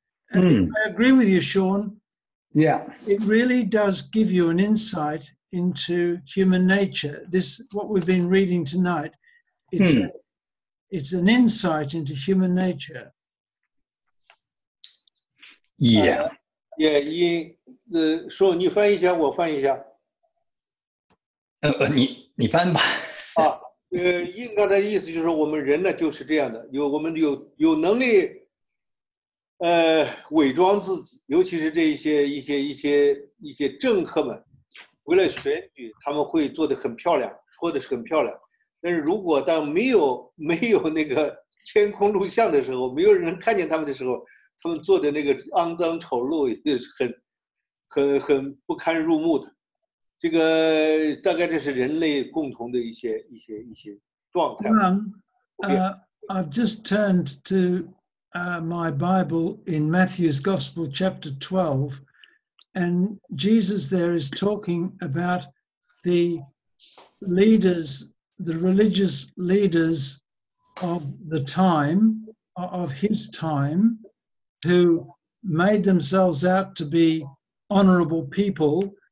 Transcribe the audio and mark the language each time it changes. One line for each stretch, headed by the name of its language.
English: And I agree with you, Sean. Yeah. It really does give you an insight into human nature. This, what we've been reading tonight, it's,It's an insight into human nature. Yeah. Yeah,
Chinese: 师傅，你翻译一下，我翻译一下。你翻吧。啊，应该的意思就是我们人呢就是这样的，我们有能力，伪装自己，尤其是这一些政客们，为了选举，他们会做得很漂亮，说的是很漂亮，但是如果当没有那个监控录像的时候，没有人看见他们的时候，他们做的那个肮脏丑陋也是很不堪入目的。这个大概这是人类共同的一些状态。
English: I've just turned to my Bible in Matthew's Gospel, chapter 12, and Jesus there is talking about the leaders, the religious leaders of the time, of his time, who made themselves out to be honorable people.